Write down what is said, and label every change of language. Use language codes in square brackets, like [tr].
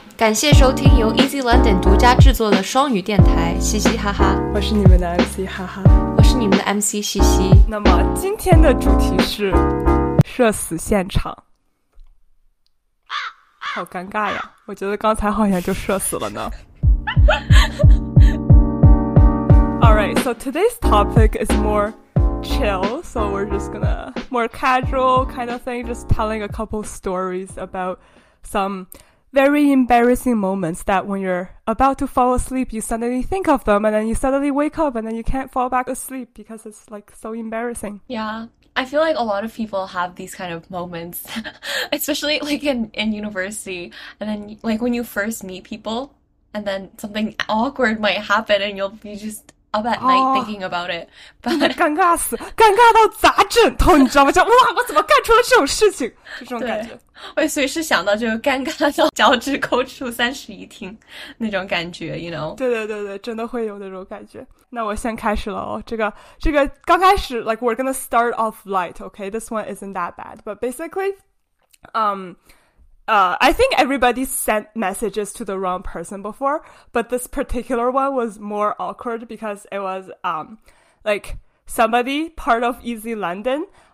[zh] 感谢收听由 Easy London 独家制作的双语电台嘻嘻哈哈，我是你们的 MC 哈哈，我是你们的 MC 西西。那么今天的主题是社死现场。好尴尬呀，我觉得刚才好像就社死了呢。 [en] Alright, so today's topic is more chill, so we're just gonna more casual kind of thing, just telling a couple stories about some very embarrassing moments that when you're about to fall asleep, you suddenly think of them and then you suddenly wake up and then you can't fall back asleep because it's like so embarrassing. Yeah. I feel like a lot of people have these kind of moments, especially like in university. And then like when you first meet people and then something awkward might happen and you'll be just up at night thinking about it. [zh] But 尴尬死，尴尬到砸枕头，你知道吗？就哇，我怎么干出了这种事情？就这种感觉。我随时想到就尴尬到脚趾抠出三室一厅那种感觉 ， [en] you know? [zh] 对对对对，真的会有那种感觉。那我先开始了哦，这个刚开始 ， [en] like we're gonna start off light, okay? This one isn't that bad, but basically, I think everybody sent messages to the wrong person before, but this particular one was more awkward because it was like somebody part of Easy London.